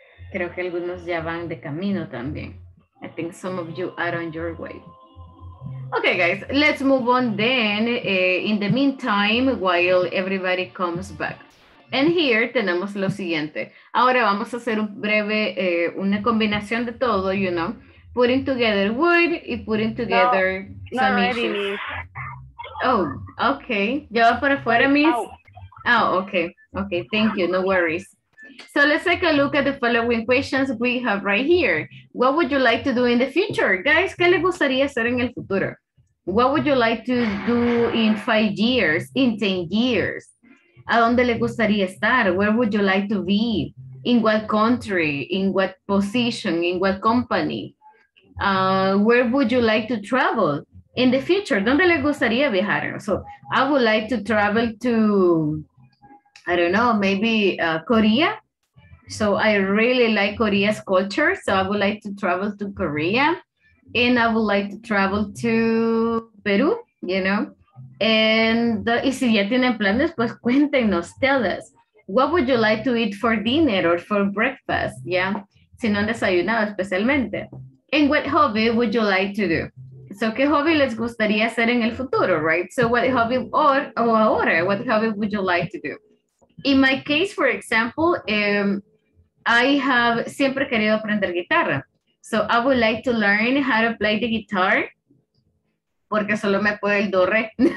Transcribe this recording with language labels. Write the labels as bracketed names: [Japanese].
[Spanish] Creo que algunos ya van de camino también. [English] I think some of you are on your way. Okay, guys, let's move on then. In the meantime, while everybody comes back. [Spanish] And here tenemos lo siguiente. Ahora vamos a hacer un breve, una combinación de todo, [English] you know. Putting together wood y putting together no, some not ready, issues. Miss. Oh, okay. [Spanish] ¿Ya va para afuera, miss? [English] Oh, okay. Okay, thank you. No worries. So let's take a look at the following questions we have right here. What would you like to do in the future? [Spanish] Guys, ¿qué le gustaría hacer en el futuro? [English] What would you like to do in 5 years, in 10 years? [Spanish] ¿A dónde le gustaría estar? [English] Where would you like to be? In what country? In what position? In what company? Where would you like to travel in the future? [Spanish] ¿Dónde le gustaría viajar? [English] So I would like to travel to, I don't know, maybe Korea. So I really like Korea's culture. So I would like to travel to Korea. And I would like to travel to Peru, you know. [Spanish] And y si ya tienen planes, pues cuéntenos, [English] tell us. What would you like to eat for dinner or for breakfast? Yeah, [Spanish] si no han desayunado especialmente. [English] And what hobby would you like to do? [Spanish] So qué hobby les gustaría hacer en el futuro, right? [English] So what hobby or ahora, what hobby would you like to do? In my case, for example, I have [Spanish] siempre querido aprender guitarra. [English] So I would like to learn how to play the guitar. [Spanish] Porque solo me puede el do re.